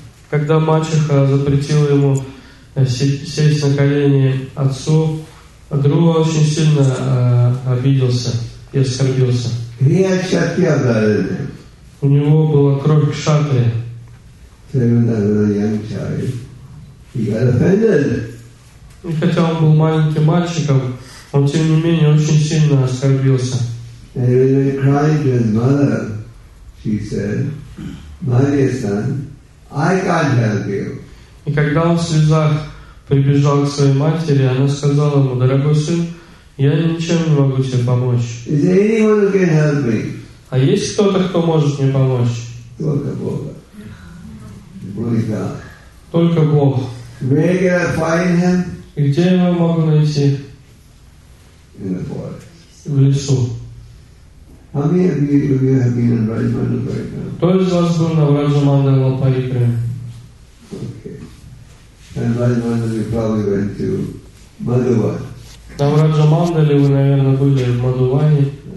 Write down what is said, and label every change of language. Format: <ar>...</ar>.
<ru>Когда мачеха запретила ему сесть на колени отцу, а Друга очень сильно обиделся и оскорбился.</ru> <en>He had kshatriya blood in him.</en> <ru>У него была кровь кшатрия.</ru> <en>So even as a young child, he got offended.</en> <ru>И хотя он был маленьким мальчиком, он тем не менее очень сильно оскорбился.</ru> <en>And when he cried to his mother, she said, "My dear son, I can't help you."</en> <ru>И когда он в слезах прибежал к своей матери, она сказала ему: «Дорогой сын, я ничем не могу тебе помочь».</ru> <en>Is there anyone who can help me?</en> <ru>А есть кто-то, кто может мне помочь? Только Бог. Бог. Только Бог.</ru> <en>Where can I find him?</en> <ru>И где я его могу найти?</ru> <en>In the forest.</en> <ru>В лесу.</ru> <en>How many of you have been in Vrajamandala right now?</en> <ru>Кто из вас был на Вражамандала Парикре?</ru> <en>And Vrajamandala we probably went to Madhuvan.</en> <ru>На Враджамандале вы, наверное, были в Мадхуване.</ru>